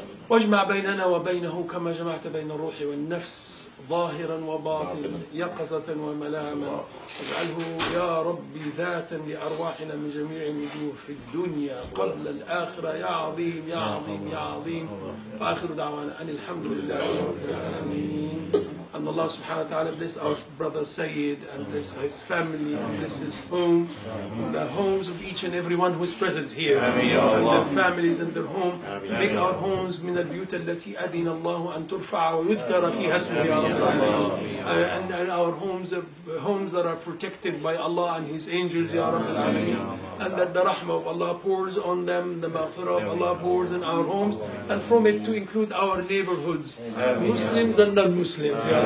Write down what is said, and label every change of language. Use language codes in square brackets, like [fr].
[ar] واجمع بيننا وبينه كما جمعت بين الروح والنفس ظاهرا وباطنا يقظة وملاما. اجعله يا ربي ذاتا لأرواحنا من جميع النجوم في الدنيا قبل الآخرة. يا عظيم يا عظيم يا عظيم. وآخر دعوانا أن الحمد لله رب العالمين. [en] And Allah subhanahu wa ta'ala bless our brother Sayyid and bless his family and bless his home and the homes of each and everyone who is present here and their families and their home. Make our homes [ar] من البيوت التي أذن الله أن ترفع ويذكر فيها اسمه يا رب العالمين. [en] And our homes that are protected by Allah and his angels [ar] يا رب العالمين. [en] And that the rahmah of Allah pours on them, the maghfirah of Allah pours in our homes and from it to include our neighborhoods, Muslims and non-Muslims.